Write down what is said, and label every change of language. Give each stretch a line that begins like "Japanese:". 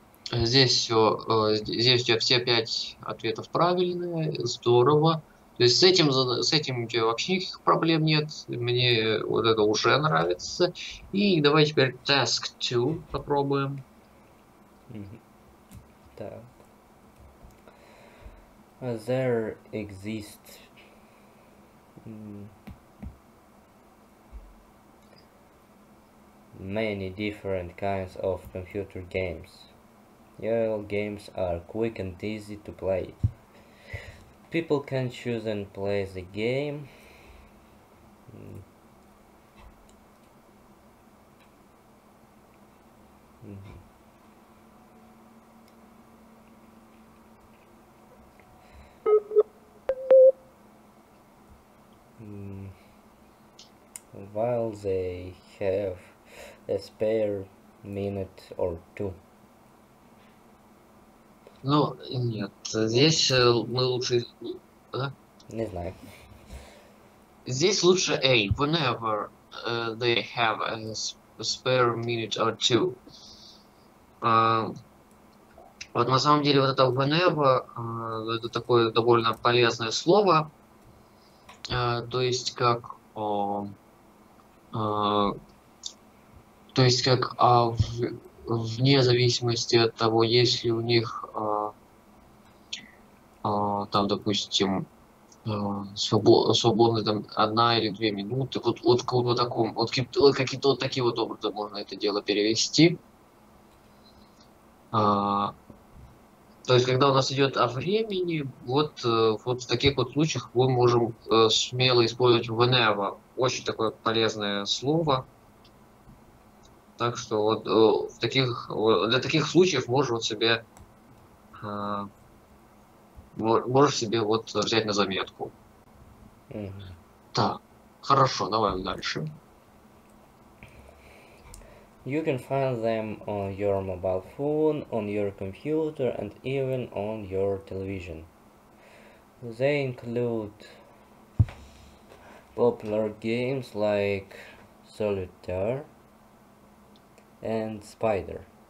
Russian: Здесь у тебя все 5 ответов правильные. Здорово. То есть с этим у тебя вообще никаких проблем нет. Мне вот это уже нравится. И давай теперь task 2 попробуем.
English: There exist many different kinds of computer games. All games are quick and easy to play. People can choose and play the game. While they have a spare minute or two.
Russian: Ну, нет, здесь мы лучше... Да? Не знаю. Здесь лучше A.
English: Whenever they have a spare minute or two.
Russian: Вот на самом деле вот это
English: whenever,
Russian: это такое довольно полезное слово. То есть как... То есть как... Вне зависимости от того, есть ли у них... там, допустим, свободно там 1 или 2 минуты. Вот каким-то вот таким вот образом можно это дело перевести. То есть, когда у нас идет о времени, вот в таких вот случаях мы можем смело использовать
English: whenever.
Russian: Очень такое полезное слово. Так что вот для таких случаев можно вот себе можешь себе вот взять на заметку. Так, хорошо, давай дальше.
English: You can find them on your mobile phone, on your computer, and even on your television. They include popular games like Solitaire and Spider.